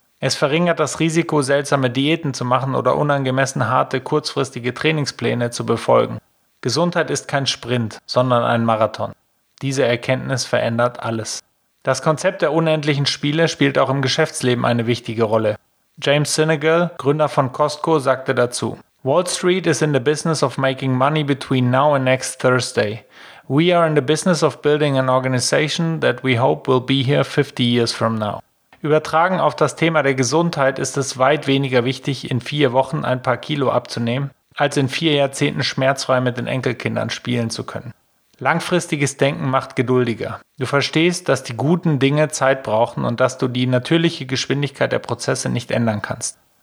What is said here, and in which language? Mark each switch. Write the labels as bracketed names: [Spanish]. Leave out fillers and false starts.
[German] Es verringert das Risiko, seltsame Diäten zu machen oder unangemessen harte, kurzfristige Trainingspläne zu befolgen. Gesundheit ist kein Sprint, sondern ein Marathon. Diese Erkenntnis verändert alles. Das Konzept der unendlichen Spiele spielt auch im Geschäftsleben eine wichtige Rolle. James Senegal, Gründer von Costco, sagte dazu: [English] "Wall Street is in the business of making money between now and next Thursday. We are in the business of building an organization that we hope will be here 50 years from now." [German] Übertragen auf das Thema der Gesundheit ist es weit weniger wichtig, in 4 Wochen ein paar Kilo abzunehmen, als in 4 Jahrzehnten schmerzfrei mit den Enkelkindern spielen zu können. Langfristiges Denken macht geduldiger. Du verstehst, dass die guten Dinge Zeit brauchen und dass du die natürliche Geschwindigkeit der Prozesse nicht ändern kannst.